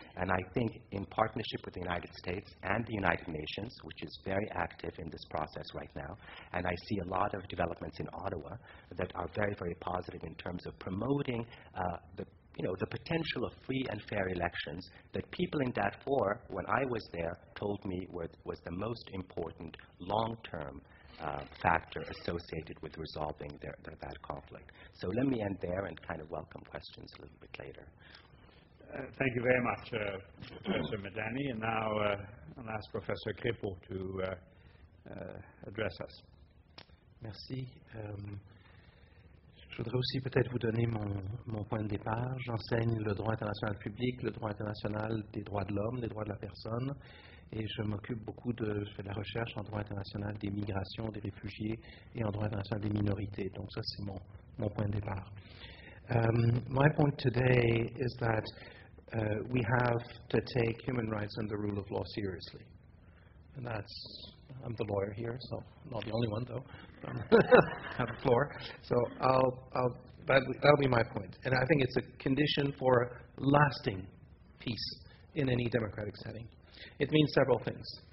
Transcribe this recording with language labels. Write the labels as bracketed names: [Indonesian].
[English] And I think in partnership with the United States and the United Nations, which is very active in this process right now, and I see a lot of developments in Ottawa that are very, very positive in terms of promoting the potential of free and fair elections that people in Darfur, when I was there, told me was the most important long-term factor associated with resolving that conflict. So let me end there and kind of welcome questions a little bit later. Thank you very much, Professor Madani. And now I'll ask Professor Krippel to address us. [French] Merci. Je voudrais aussi peut-être vous donner mon point de départ. J'enseigne le droit international public, le droit international des droits de l'homme, des droits de la personne, et je m'occupe beaucoup de la recherche en droit international des migrations, des réfugiés et en droit international des minorités. Donc ça, c'est mon point de départ. [English] My point today is that we have to take human rights and the rule of law seriously. And that's, I'm the lawyer here, so I'm not the only one, though. Have the floor. So that'll be my point. And I think it's a condition for lasting peace in any democratic setting. It means several things.